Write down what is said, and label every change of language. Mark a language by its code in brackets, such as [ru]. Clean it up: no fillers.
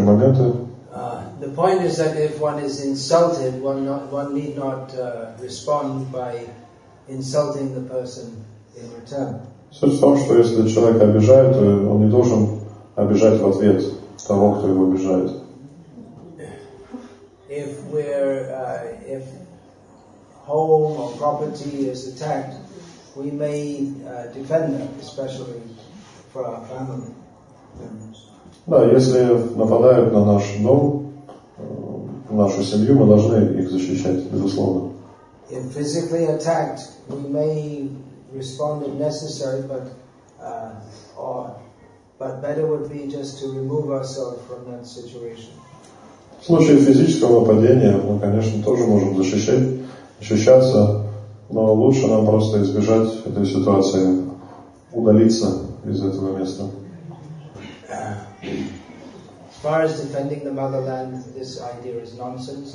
[en] The point is that if one is insulted, one need not respond by insulting the person in return. [ru] Суть в том, что если человек обижает, то он не должен обижать в ответ того, кто его обижает. [en] If we're if home or property is attacked, we may defend them, especially for our family. [ru] Да, если нападают на наш дом, нашу семью, мы должны их защищать, безусловно. [en] If physically attacked, we may respond if necessary, but better would be just to remove ourselves from that situation. [ru] В случае физического нападения мы, конечно, тоже можем защищаться, но лучше нам просто избежать этой ситуации, удалиться из этого места. [en] As far as defending the motherland, this idea is nonsense.